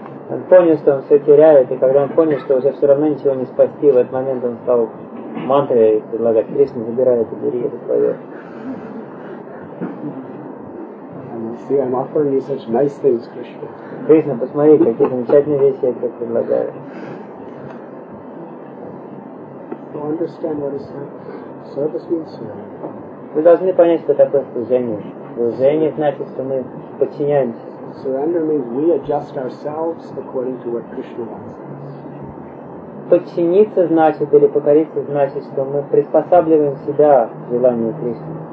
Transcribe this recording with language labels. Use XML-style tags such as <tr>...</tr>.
<ru>Он понял, что он все теряет, и когда он понял, что уже все равно ничего не спасти, в этот момент он стал мантрой предлагать: Кришна, забирай это, бери это твое.</ru> <en>See, I'm offering you such nice things, Krishna.</en> <ru>Krishna, посмотри, какие замечательные вещи я тебе предлагаю.</ru> <en>To understand what is service means.</en> <ru>Вы должны понять, что такое служение. Служение значит, что мы подчиняемся.</ru> <en>Surrender means we adjust ourselves according to what Krishna wants.</en> <ru>Подчиниться значит, или покориться значит, что мы приспосабливаем себя к желанию Кришны.</ru>